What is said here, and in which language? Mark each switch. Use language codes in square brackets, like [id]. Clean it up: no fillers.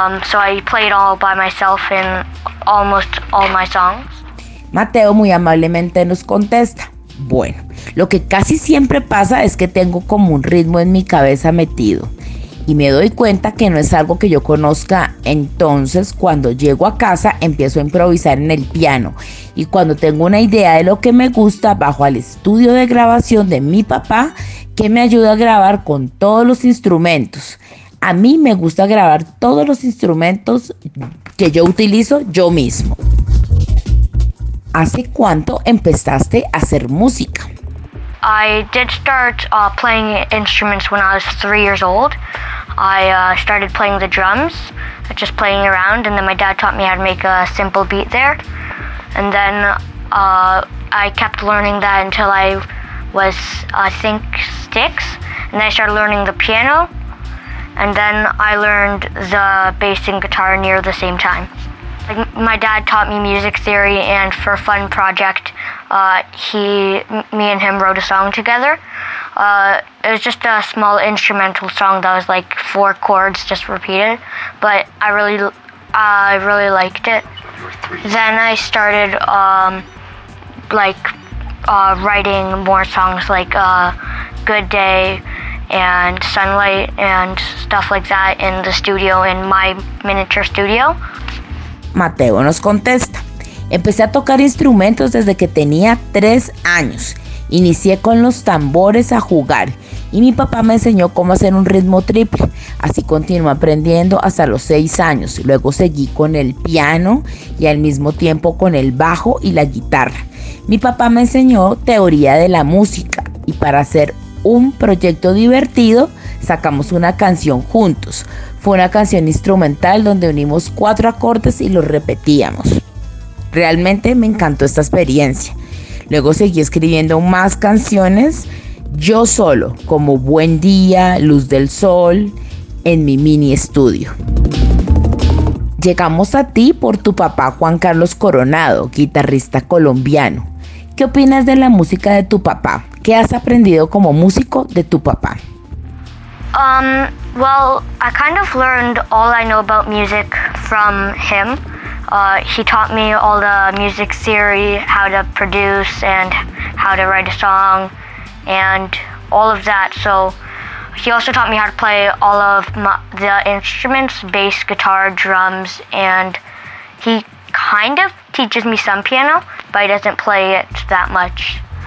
[en] So I play it all by myself in almost all my songs. [es] Mateo muy amablemente nos contesta. Bueno, lo que casi siempre pasa es que tengo como un ritmo en mi cabeza metido y me doy cuenta que no es algo que yo conozca. Entonces, cuando llego a casa, empiezo a improvisar en el piano. Y cuando tengo una idea de lo que me gusta, bajo al estudio de grabación de mi papá, que me ayuda a grabar con todos los instrumentos. A mí me gusta grabar todos los instrumentos que yo utilizo yo mismo. ¿Hace cuánto empezaste a hacer música? [en] I did start playing instruments when I was 3 years old. I started playing the drums, just playing around, and then my dad taught me how to make a simple beat there. And then I kept learning that until I was, I think, 6. And then I started learning the piano. And then I learned the bass and guitar near the same time. Like, my dad taught me music theory, and for a fun project, me and him wrote a song together. It was just a small instrumental song that was like 4 chords just repeated, but I really liked it. Then I started like writing more songs like Good Day and Sunlight and stuff like that in the studio, in my miniature studio. [es] Mateo nos contesta. Empecé a tocar instrumentos desde que tenía 3 años. Inicié con los tambores a jugar y mi papá me enseñó cómo hacer un ritmo triple. Así continué aprendiendo hasta los 6 años. Luego seguí con el piano y al mismo tiempo con el bajo y la guitarra. Mi papá me enseñó teoría de la música y para hacer un proyecto divertido sacamos una canción juntos. Fue una canción instrumental donde unimos 4 acordes y los repetíamos. Realmente me encantó esta experiencia. Luego seguí escribiendo más canciones yo solo, como Buen Día, Luz del Sol, en mi mini estudio. Llegamos a ti por tu papá Juan Carlos Coronado, guitarrista colombiano. ¿Qué opinas de la música de tu papá? ¿Qué has aprendido como músico de tu papá? [en] Well, I kind of learned all I know about music from him. He taught me all the music theory, how to produce and how to write a song and all of that. So he also taught me how to play all of the instruments, bass, guitar, drums, and he kind of teaches me some piano, but he doesn't play it that much.